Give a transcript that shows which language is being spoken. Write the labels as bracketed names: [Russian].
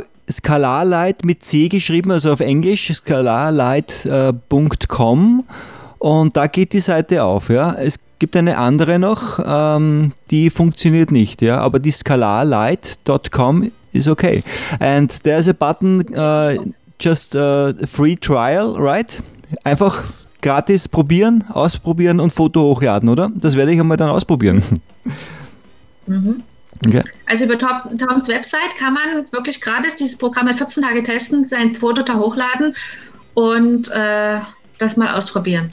[German] Scalarlight mit C geschrieben, also auf Englisch, scalarlight.com. Und da geht die Seite auf, ja. Es gibt eine andere noch, die funktioniert nicht, ja. Aber die scalarlight.com ist okay. [English] And there's a button, just a free trial, right? [German] einfach gratis probieren, ausprobieren und Foto hochladen, oder? Das werde ich einmal dann ausprobieren. Mhm. Okay. Also über Toms Website kann man wirklich gratis dieses Programm 14 Tage testen, sein Foto da hochladen und das mal ausprobieren.